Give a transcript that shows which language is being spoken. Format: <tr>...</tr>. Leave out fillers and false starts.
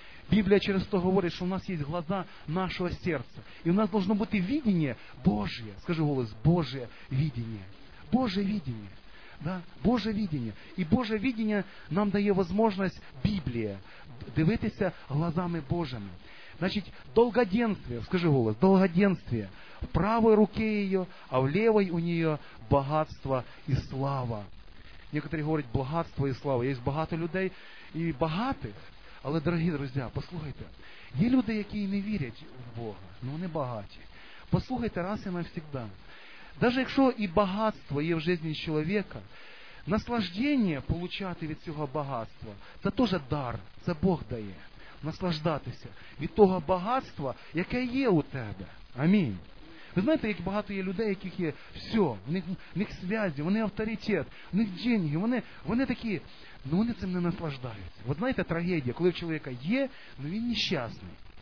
<uk>Біблія через то говорить, що у нас є глаза нашого серця. І у нас повинно бути видіння Боже. Скажи голос, Боже видіння. Боже видіння. Да? Боже видіння. І Боже видіння нам дає можливість Біблія дивитися глазами Божими. Значить, довгоденствие, скажи голос, довгоденствие.</uk> <ru>В правой руке ее, а в левой у нее богатство и слава. Некоторые говорят, богатство и слава. Есть багато людей и богатых.</ru> <uk>Але,</uk> <ru>дорогие друзья, послушайте. Есть люди, которые не верят в Бога, но они богаті. Послушайте раз и навсегда. Даже если и богатство есть в жизни человека, наслаждение получать от этого богатства, это тоже дар, это Бог дает.</ru> <uk>Наслаждатися від того багатства, яке є у тебе. Амінь. Ви знаєте, як багато є людей, яких є все, в них зв'язі, вони авторитет, в них деньги, вони такі, але вони цим не наслаждаються. Ви знаєте, трагедія, коли в чоловіка є, але він нещасний.</uk>